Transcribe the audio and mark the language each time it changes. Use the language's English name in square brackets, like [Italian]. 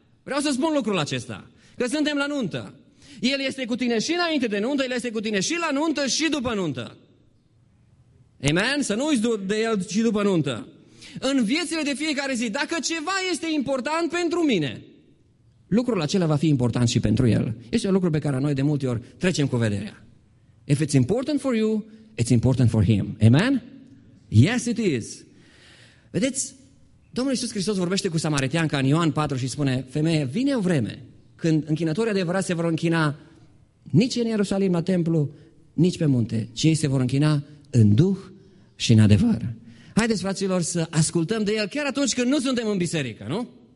[Romanian] Vreau să spun lucrul acesta, că suntem la nuntă. El este cu tine și înainte de nuntă, El este cu tine și la nuntă și după nuntă. Amen? Să nu uiți de El și după nuntă. În viețile de fiecare zi, dacă ceva este important pentru mine, lucrul acela va fi important și pentru El. Este un lucru pe care noi de multe ori trecem cu vederea. [English] If it's important for you, it's important for Him. [Romanian] Amen? [English] Yes, it is. [Romanian] Vedeți? Domnul Iisus Hristos vorbește cu samaritianca în Ioan 4 și spune: femeie, vine o vreme când închinătorii adevărați se vor închina nici în Ierusalim la templu, nici pe munte, ci ei se vor închina în duh și în adevăr. Haideți, fraților, să ascultăm de El chiar atunci când nu suntem în biserică, nu?